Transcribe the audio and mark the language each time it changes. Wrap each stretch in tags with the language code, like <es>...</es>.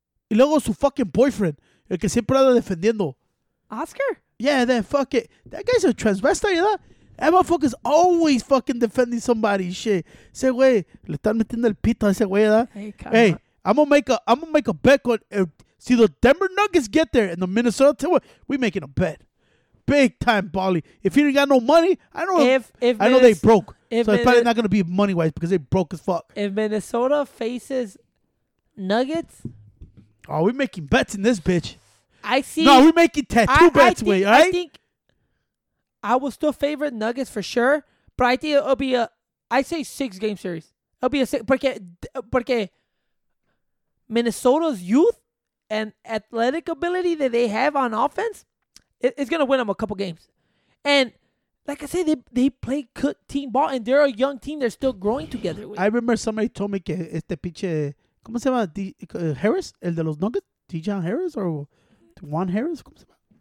<es>Y luego su</es> <en>fucking boyfriend,</en> <es>el que siempre anda defendiendo.</es> <en>Oscar? Yeah, that fuck it. That guy's a transvestite, you know? That motherfucker's always fucking defending somebody, shit.</en> <es>Say, güey, le están metiendo el pito a ese güey, ¿verdad?</es> <en>Hey, I'm gonna make a bet on. See, the Denver Nuggets get there and the Minnesota Timberwolves, we making a bet. Big time, Bali. If he ain't got no money, I know if I know they broke. It's probably not gonna be money wise because they broke as fuck. If Minnesota faces Nuggets. Oh, we making bets in this bitch. I see. No, we making tattoo bets, way, all right? I think I will still favor Nuggets for sure, but I think it'll be I say 6-game series. It'll be a 6, porque Minnesota's youth and athletic ability that they have on offense, it's going to win them a couple games. And like I say, they play good team ball, and they're a young team. They're still growing together. I remember somebody told me</en> <es>que este pinche, ¿cómo se llama? Harris, el de los Nuggets, Dijon Harris or Juan Harris, ¿cómo se llama?</es>